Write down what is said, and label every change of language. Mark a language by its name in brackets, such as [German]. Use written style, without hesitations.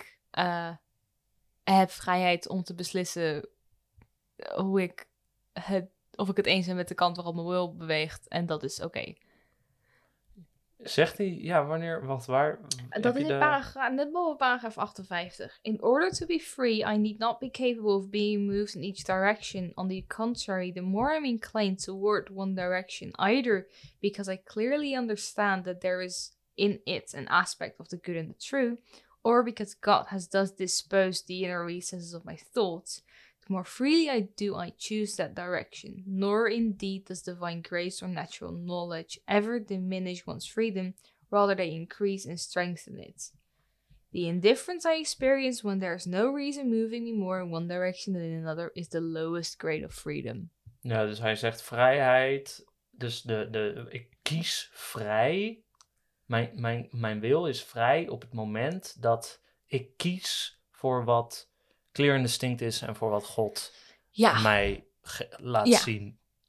[Dutch] Ik heb vrijheid om te beslissen hoe ik het, of ik het eens ben met de kant waarop mijn wil beweegt. En dat is oké. Zegt hij, ja, wanneer, wat, waar? Dat is net boven paragraaf 58. [English] In order to be free, I need not be capable of being moved in each direction. On the contrary, the more I'm inclined toward one direction, either because I clearly understand that there is in it an aspect of the good and the true, or because God has thus disposed the inner recesses of my thoughts, the more freely I do I choose that direction, nor indeed does divine grace or natural knowledge ever diminish one's freedom, rather they increase and strengthen it. The indifference I experience when there is no reason moving me more in one direction than in another is the lowest grade of freedom. [Dutch] Ja, dus hij zegt vrijheid, dus de ik kies vrij. Mijn wil is vrij op het moment dat ik kies voor wat [English] clear and distinct [Dutch] is en voor wat God mij laat zien.